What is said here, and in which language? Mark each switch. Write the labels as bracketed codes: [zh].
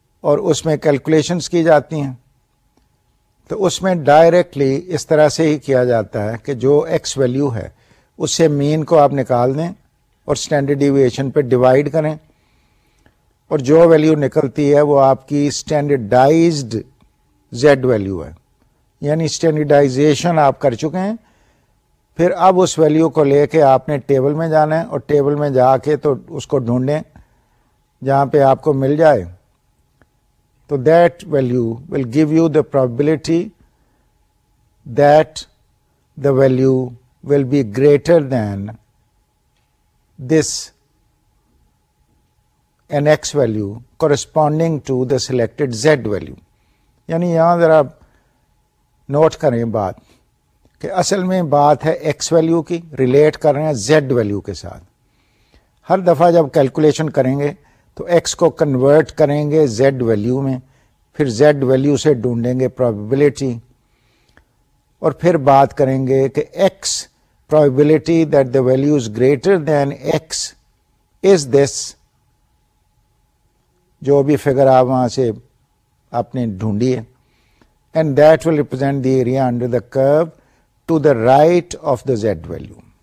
[ur] اور اس میں کیلکولیشنس کی جاتی ہیں, تو اس میں ڈائریکٹلی اس طرح سے ہی کیا جاتا ہے کہ جو ایکس ویلیو ہے اس سے مین کو آپ نکال دیں اور اسٹینڈرڈ ڈیویشن پہ ڈیوائڈ کریں, اور جو ویلیو نکلتی ہے وہ آپ کی اسٹینڈرڈائزڈ زیڈ ویلیو ہے, یعنی اسٹینڈرڈائزیشن آپ کر چکے ہیں. پھر اب اس ویلیو کو لے کے آپ نے ٹیبل میں جانا ہے, اور ٹیبل میں جا کے تو اس کو ڈھونڈیں جہاں پہ آپ کو مل جائے [en] تو that value will give you the probability that the value will be greater than this an X value corresponding to the selected Z value. [ur] یعنی یہاں ذرا نوٹ کریں بات کہ اصل میں بات ہے ایکس ویلیو کی, ریلیٹ کر رہے ہیں زیڈ ویلیو کے ساتھ. ہر دفعہ جب کیلکولیشن کریں گے تو ایکس کو کنورٹ کریں گے زیڈ ویلیو میں, پھر زیڈ ویلیو سے ڈھونڈیں گے پرابیبلٹی, اور پھر بات کریں گے کہ [en] X probability that the value is greater than X is this, [ur] جو بھی فگر آپ وہاں سے آپ نے ڈھونڈی ہے, [en] And that will represent the area under the curve to the right of the Z value.